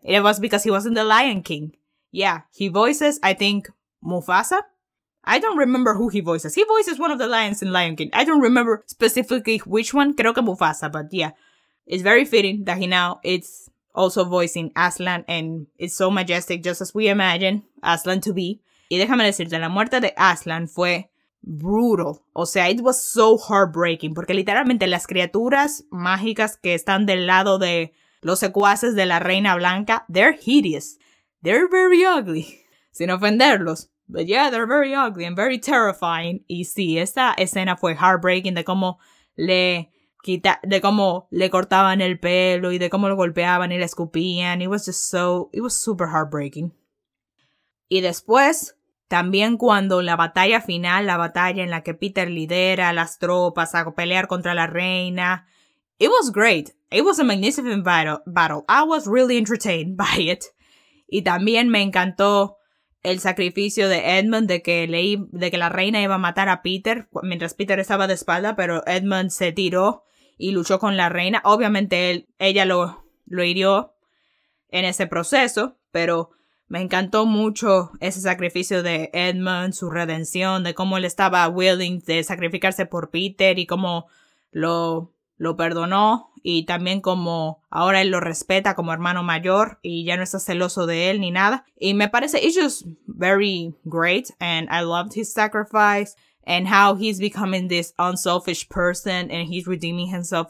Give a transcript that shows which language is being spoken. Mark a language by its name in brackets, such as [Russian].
[English] It was because he was in The Lion King. Yeah, he voices, I think, Mufasa. I don't remember who he voices. He voices one of the lions in Lion King. I don't remember specifically which one. [Spanish] Creo que [English] Mufasa, but yeah. It's very fitting that he now is also voicing Aslan and it's so majestic, just as we imagine Aslan to be. [Spanish] Y déjame decirte, la muerte de Aslan fue brutal. O sea, [English] it was so heartbreaking. [Spanish] Porque literalmente las criaturas mágicas que están del lado de los secuaces de la Reina Blanca, [English] they're hideous. They're very ugly. [Spanish] Sin ofenderlos. [English] But yeah, they're very ugly and very terrifying. [Spanish] Y sí, esta escena fue heartbreaking de cómo le quita, de cómo le cortaban el pelo y de cómo lo golpeaban y le escupían. [English] It was super heartbreaking. [Spanish] Y después, también cuando la batalla final, la batalla en la que Peter lidera a las tropas a pelear contra la reina, [English] it was great. It was a magnificent battle. I was really entertained by it. [Spanish] Y también me encantó el sacrificio de Edmund, de que la reina iba a matar a Peter mientras Peter estaba de espalda, pero Edmund se tiró y luchó con la reina. Obviamente ella lo hirió en ese proceso, pero me encantó mucho ese sacrificio de Edmund, su redención, de cómo él estaba willing de sacrificarse por Peter y cómo lo perdonó. Y también como ahora él lo respeta como hermano mayor y ya no está celoso de él ni nada. Y me parece, [English] it's just very great and I loved his sacrifice and how he's becoming this unselfish person and he's redeeming himself.